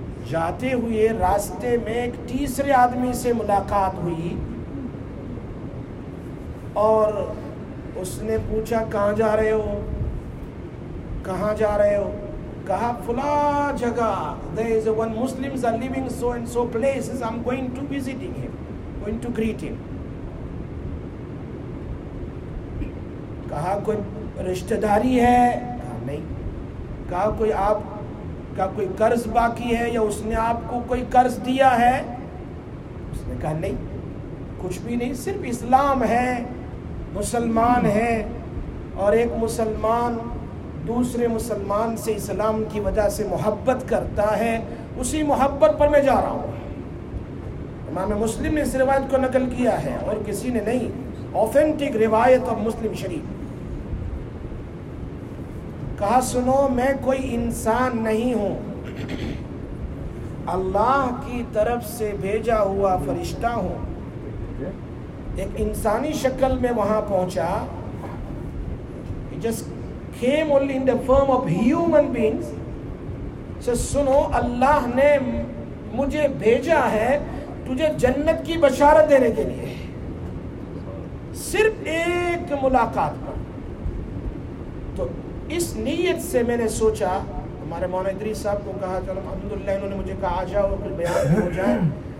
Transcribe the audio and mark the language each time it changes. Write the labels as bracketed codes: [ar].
[ur] جاتے ہوئے راستے میں ایک تیسرے آدمی سے ملاقات ہوئی اور اس نے پوچھا کہاں جا رہے ہو, کہاں جا رہے ہو. کہا فلاں جگہ. [en] There is one Muslims are living so and so places. I'm going to visiting him, going to greet him. [ur] کہا کوئی رشتہ داری ہے؟ کہا نہیں. کہا کوئی آپ کا کوئی قرض باقی ہے یا اس نے آپ کو کوئی قرض دیا ہے؟ اس نے کہا نہیں, کچھ بھی نہیں, صرف اسلام ہے, مسلمان ہے. اور ایک مسلمان دوسرے مسلمان سے اسلام کی وجہ سے محبت کرتا ہے, اسی محبت پر میں جا رہا ہوں. امام مسلم نے اس روایت کو نقل کیا ہے اور کسی نے نہیں. اوتھینٹک روایت آف مسلم شریف. کہا سنو, میں کوئی انسان نہیں ہوں, اللہ کی طرف سے بھیجا ہوا فرشتہ ہوں. ایک انسانی شکل میں وہاں پہنچا. [en] Came only in the form of human beings. [ur] So, سنو اللہ نے مجھے بھیجا ہے تجھے جنت کی بشارت دینے کے لیے صرف ایک ملاقات پر. تو اس نیت سے میں نے سوچا, ہمارے مولانا ادریس صاحب کو کہا, چلو الحمدللہ انہوں نے مجھے کہا آ جاؤ پھر بیان ہو جائے.